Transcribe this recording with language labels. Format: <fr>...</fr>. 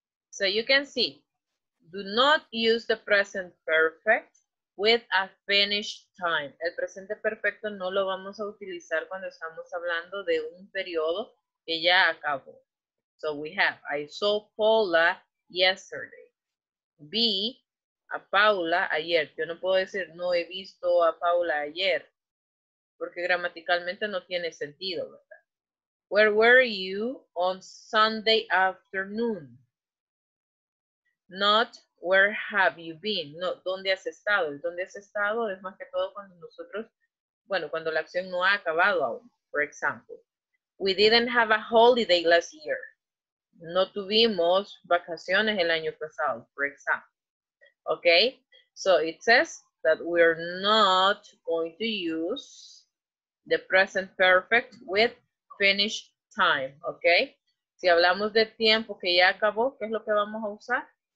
<en>So you can see, do not use the present perfect with a finished time.</en> <es>El presente perfecto no lo vamos a utilizar cuando estamos hablando de un periodo que ya acabó.</es> <en>So we have, I saw Paula yesterday.</en> <es>Vi a Paula ayer. Yo no puedo decir, no he visto a Paula ayer. Porque gramaticalmente no tiene sentido, ¿verdad?</es> <en>Where were you on Sunday afternoon? Not, where have you been?</en> <es>No, ¿dónde has estado? El ¿dónde has estado? Es más que todo cuando nosotros, bueno, cuando la acción no ha acabado aún.</es> <en>For example, we didn't have a holiday last year.</en> <es>No tuvimos vacaciones el año pasado,</es> <en>for example. Okay, so it says that we're not going to use the present perfect with finished time, okay?</en> <es>Si hablamos de tiempo que ya acabó, ¿qué es lo que vamos a usar?</es>